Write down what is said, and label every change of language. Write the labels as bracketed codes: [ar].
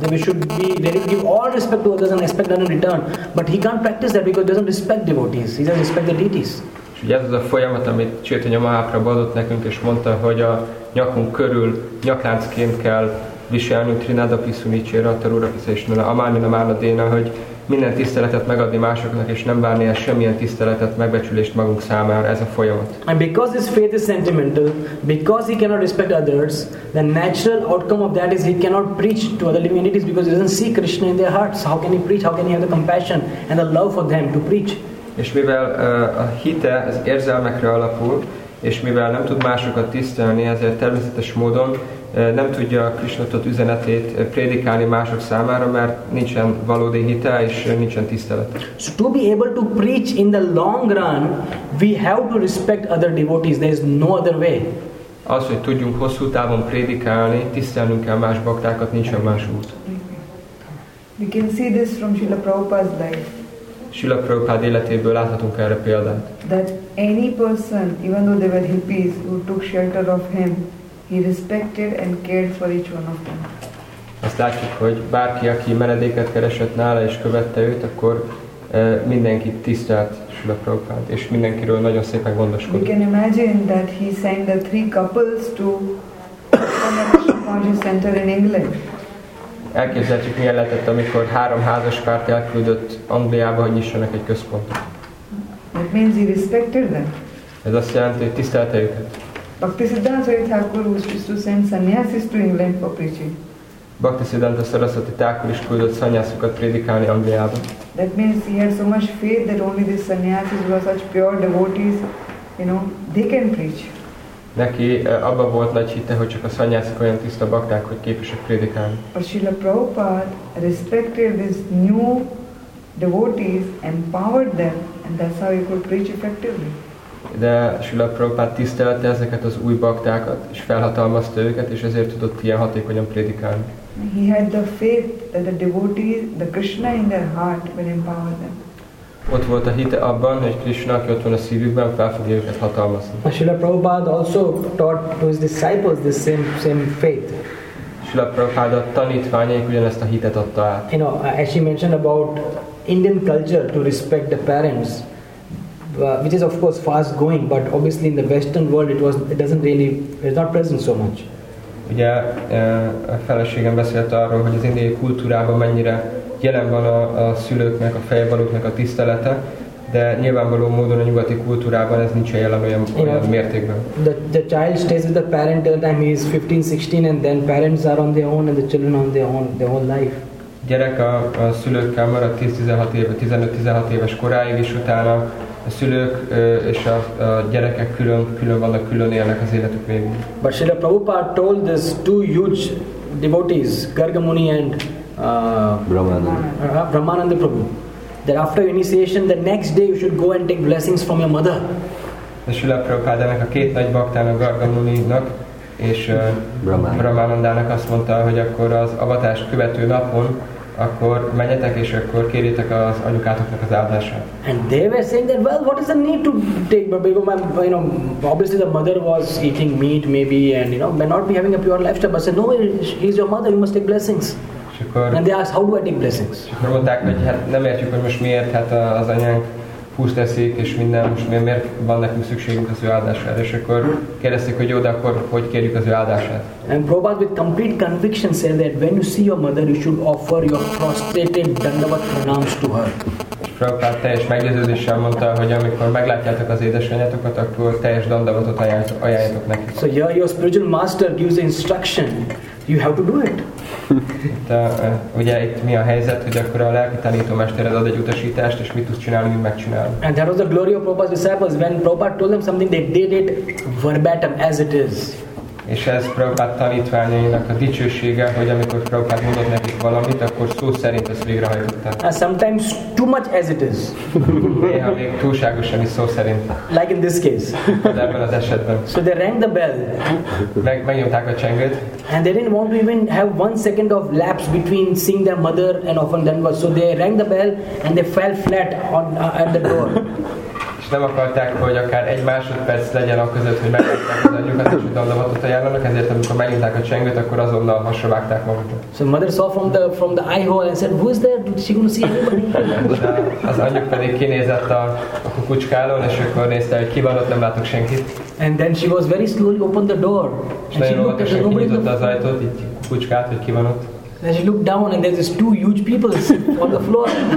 [en] That we should be ready to give all respect to others and expect none in return. But he can't practice that because he doesn't respect devotees, he doesn't respect the deities. [hu] És ugye ez az a folyamat, amit Chaitanya Mahaprabhu adott nekünk és mondta, hogy a nyakunk körül nyakláncként kell viselnünk [sa] Trinadapi Sunichana Tarodapa Saishana Amanina Manadena, [hu] hogy minden tiszteletet megadni másoknak és nem várni el semmilyen tiszteletet, megbecsülést magunk számára, ez a folyamat. [en] And because his faith is sentimental, because he cannot respect others, the natural outcome of that is he cannot preach to other living entities because he doesn't see Krishna in their hearts. How can he preach? How can he have the compassion and the love for them to preach? [hu] És mivel a hite az érzelmekre alapul, és mivel nem tud másokat tisztelni, ezért természetes módon nem tudja a Krisnatot üzenetét prédikálni mások számára, mert nincsen valódi hite és nincsen tisztelet. [en] So to be able to preach in the long run, we have to respect other devotees. There is no other way. [hu] Az, hogy tudjunk hosszú távon prédikálni, tisztelnünk kell más baktákat, nincsen más út. [en] We can see this from Srila Prabhupada's life. [hu] Srila Prabhupada életéből láthatunk erre példát. [en] That any person, even though they were hippies, who took shelter of him, He respected and cared for each one of them. [hu] Azt látjuk, hogy bárki, aki menedéket keresett nála és követte őt, akkor mindenki tisztelt Srila Prabhupádot, és mindenkiről nagyon szépen gondoskodott. [en] You can imagine that he sent the three couples to Kanakashi Center in England. [hu] Elképzelhetjük, milyen lehetett, amikor három házas párt elküldött Angliába, hogy nyissanak egy központot. [en] That means he respected them. [hu] Ez azt jelenti, hogy tisztelte őket. [en] Bhaktisiddhanta Saraswati Thakur used to send sannyasis to England for preaching. [hu] Bhaktisiddhanta Saraswati Thakur is küldött szanyászokat prédikálni Angliába. [en] That means he had so much faith that only these sannyasis were such pure devotees, you know, they can preach. [hu] Neki abba volt nagy hite, hogy csak a szanyászok olyan tiszta bakták, hogy képesek prédikálni. [en] But Srila Prabhupada respected these new devotees, empowered them, and that's how he could preach effectively. [hu] De Srila Prabhupada tisztelte ezeket az új baktákat, és felhatalmazta őket, és ezért tudott ilyen hatékonyan prédikálni. [en] He had the faith that the devotees, the Krishna in their heart will empower them. [hu] Ott volt a hite abban, hogy Krishna, aki ott van a szívükben, fel fogja őket hatalmazni. [en] Srila Prabhupada also taught to his disciples this same faith. [hu] Srila Prabhupada tanítványaik ugyanezt a hitet adta át. [en] You know, as she mentioned about Indian culture to respect the parents, which is of course fast going, but obviously in the Western world it's not present so much. [hu] Ugye a feleségem beszélt arról, hogy az indiai kultúrában mennyire jelen van a szülőknek, a fejvalóknak a tisztelete, de nyilvánvaló módon a nyugati kultúrában ez nincs jelen olyan mértékben. [en] The child stays with the parent till the time he is 15-16, and then parents are on their own and the children on their own their whole life. [hu] Gyerek a szülőkkel marad 10-16 éve, 15-16 éves koráig, és utána a szülők és a gyerekek külön vannak, külön élnek az életük végén. [en] But Srila Prabhupada told this two huge devotees, Garga Muni and Brahmananda Prabhu, that after initiation, the next day you should go and take blessings from your mother. [hu] De Srila Prabhupada ennek a két nagy baktának, Garga Muninak és Brahmanandának azt mondta, hogy akkor az avatás követő napon akkor menjetek, és akkor kérjétek az anyukátoknak az áldását. [en] And they were saying that, well, what is the need to take? Because, you know, obviously the mother was eating meat maybe, and, you know, may not be having a pure lifestyle, but said, no, he's your mother, you must take blessings. And they asked, how do I take blessings? [hu] És akkor mondták, hogy hát nem értjük, hogy most miért, hát az anyánk húst eszik, és minden, most miért van nekünk szükségünk az ő áldására. És akkor kérdezték, hogy jó, de akkor hogy kérjük az ő áldását. [en] And Prabhupada with complete conviction said that when you see your mother, you should offer your prostrated dandavat pranams to her. [hu] Prabhupada teljes meggyőződéssel mondta, hogy amikor meglátjátok az édesanyátokat, akkor teljes dandavatot ajánljátok neki. [en] So here your spiritual master gives the instruction, you have to do it. [hu] Ugye itt mi a helyzet, hogy akkor a lelki tanítómestered ad egy utasítást, és mit tudsz csinálni, mit megcsinálni. [en] And that was the glory of Prabhupada's disciples, when Prabhupada told them something, they did it verbatim, as it is. [hu] És ez Prabhupada tanítványainak a dicsősége, hogy amikor Prabhupada mondott nekik valamit, akkor szó szerint ezt végrehajtották. [en] And sometimes too much as it is. [hu] Néha még túlságosan is szó szerint. [en] Like in this case. [hu] Ebben az esetben. [en] So they rang the bell. [hu] Megnyomták a csengőt. [en] And they didn't want to even have one second of lapse between seeing their mother and offering dandavat. So they rang the bell and they fell flat on at the door. [hu] Nem akarták, hogy akár egy másodperc legyen a között, hogy megnyitják az anyjukat, és hogy dandavatot ajánlanak, ezért amikor megnyitják a csengőt, akkor azonnal hasra vágták magukat. [en] So mother saw from the eye hole and said, who is there? Did she gonna see anybody? [hu] Az anyjuk pedig kinézett a kukucskálón, és akkor nézte, hogy ki van ott, nem látok senkit. [en] And then she was very slowly opened the door. [hu] És nagyon óvatosan kinyitotta az ajtót, így kukucskált, hogy ki van ott. [en] And she looked down and there's these two huge people on the floor.